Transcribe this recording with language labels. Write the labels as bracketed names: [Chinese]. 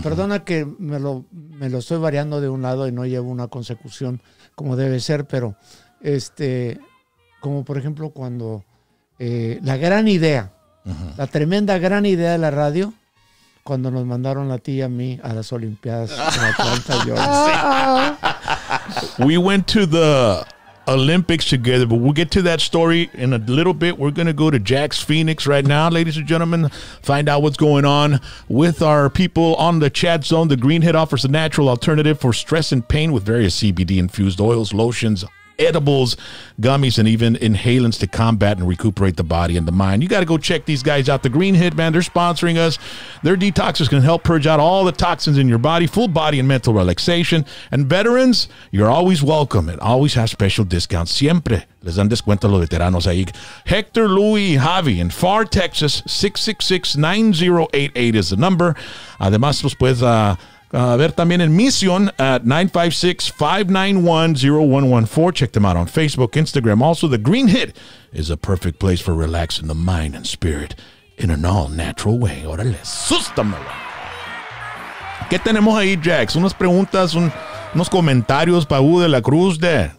[Spanish] Perdona que me lo estoy variando de un lado y no llevo una consecución como debe ser, pero como por ejemplo cuando la gran idea, uh-huh. la tremenda gran idea de la radio. Cuando nos mandaron a ti y a mí a las Olimpiadas en Atlanta, Georgia. [English] We went to the Olympics together, but we'll get to that story in a little bit. We're going to go to Jax Phoenix right now, ladies and gentlemen. Find out what's going on with our people on the chat zone. The Greenhead offers a natural alternative for stress and pain with various CBD-infused oils, lotions, edibles, gummies, and even inhalants to combat and recuperate the body and the mind. You got to go check these guys out. The Green Hit, man, they're sponsoring us. Their detox is going to help purge out all the toxins in your body, full body and mental relaxation. And veterans, you're always welcome and always have special discounts. [Spanish] Siempre les dan descuento a los veteranos ahí. [English] Hector, Louis, Javi in Far Texas, 666-9088 is the number. [Spanish] Además, los puedes ver también en Mission at 956-591-0114. [English] Check them out on Facebook, Instagram. Also, the Green Hit is a perfect place for relaxing the mind and spirit in an all-natural way. [Spanish] Órale, sústamelo. ¿Qué tenemos ahí, Jax? Unas preguntas, unos comentarios para Hugo de la Cruz de...